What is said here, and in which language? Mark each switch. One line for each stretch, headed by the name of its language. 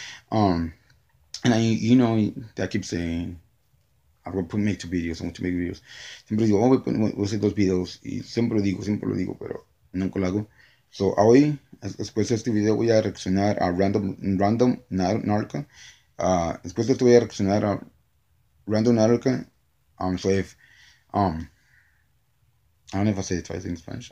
English: And you know, I keep saying, I'm going to make two videos, I'm going to make videos.
Spanish: Siempre digo, voy a hacer dos videos. Y siempre lo digo, pero nunca lo hago. So, hoy, después de este video, voy a reaccionar a Random Narca. Después de esto, voy a reaccionar a Random Narca.
English: So, if, I don't know if I say it twice in Spanish.